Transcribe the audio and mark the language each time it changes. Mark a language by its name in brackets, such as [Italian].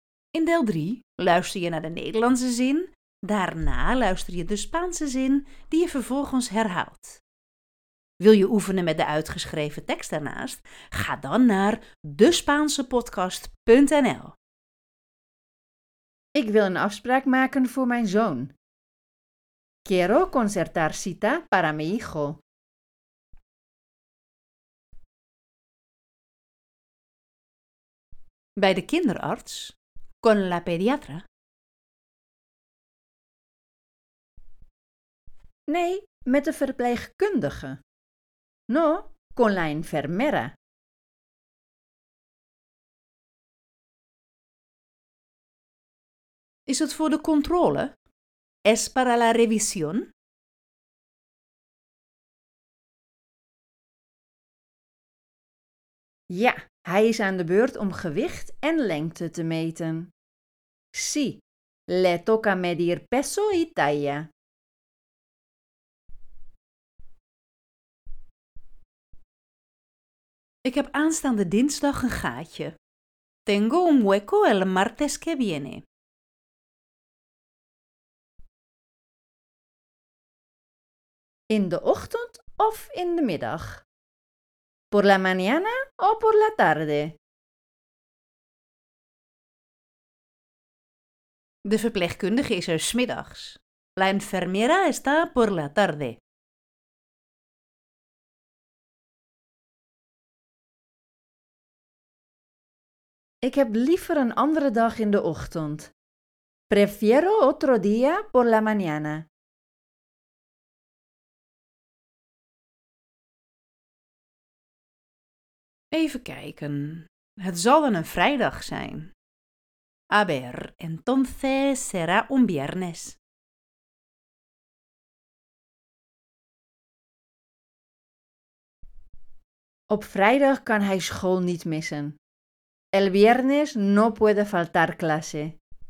[Dutch] In deel 3 luister je naar de Nederlandse zin, daarna luister je de Spaanse zin die je vervolgens herhaalt. Wil je oefenen met de uitgeschreven tekst daarnaast? Ga dan naar despaansepodcast.nl. Ik wil een afspraak maken voor mijn zoon. [Spanish] Quiero concertar cita para mi hijo. [Dutch] Bij de kinderarts. [Spanish] Con la pediatra. [Dutch] Nee, met de verpleegkundige. [Spanish] No, con la enfermera. [Dutch] Is het voor de controle? [Spanish] Es para la revisión? [Dutch] Ja, hij is aan de beurt om gewicht en lengte te meten. [Spanish] Sí, le toca medir peso y talla. [Dutch] Ik heb aanstaande dinsdag een gaatje. [Spanish] Tengo un hueco el martes que viene. [Dutch] In de ochtend of in de middag? [Spanish] Por la mañana o por la tarde? [Dutch] De verpleegkundige is er 's middags. [Spanish] La enfermera está por la tarde. [Dutch] Ik heb liever een andere dag in de ochtend. [Spanish] Prefiero otro día por la mañana. [Dutch] Even kijken. Het zal wel een vrijdag zijn. [Spanish] A ver, entonces será un viernes. [Dutch] Op vrijdag kan hij school niet missen. [Spanish] El viernes no puede faltar clase.